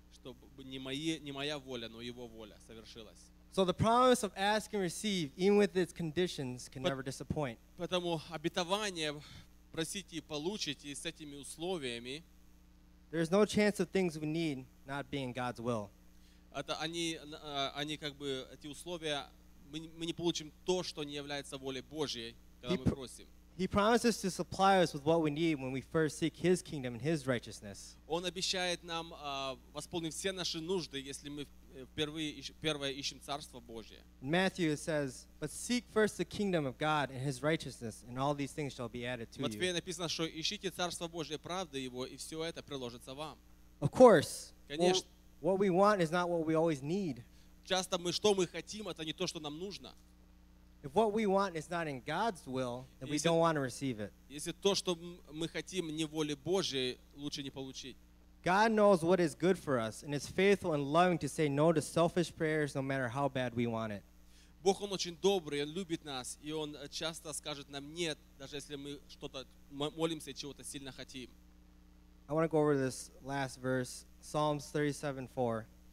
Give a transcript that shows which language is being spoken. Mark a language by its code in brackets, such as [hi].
[ru] Чтобы не моя воля, но Его воля совершилась. [en] So the promise of ask and receive, even with its conditions, can never disappoint. [ru] Поэтому обетование просите и получите с этими условиями. [en] There's no chance of things we need not being God's will. [ru] Это они как бы эти условия мы не получим то, что не является волей Божьей, когда мы просим. [en] He promises to supply us with what we need when we first seek His kingdom and His righteousness. [ru] Он обещает нам восполнить все наши нужды, если мы первое ищем Царство Божие. [en] Matthew says, "But seek first the kingdom of God and His righteousness, and all these things shall be added to you." [ru] Матфея написано, что ищите Царство Божие, правда Его, и все это приложится вам. [en] Of course. [ru] Конечно. [en] What we want is not what we always need. [ru] Часто мы что мы хотим, это не то, что нам нужно. [en] If what we want is not in God's will, then we don't want to receive it. [ru] Если то, что мы хотим, не воле Божьей, лучше не получить. [en] God knows what is good for us, and is faithful and loving to say no to selfish prayers, no matter how bad we want it. [ru] Бог он очень добрый, он любит нас, и он часто скажет нам нет, даже если мы что-то молимся и чего-то сильно хотим. [en] I want to go over this last verse, Psalms 37:4.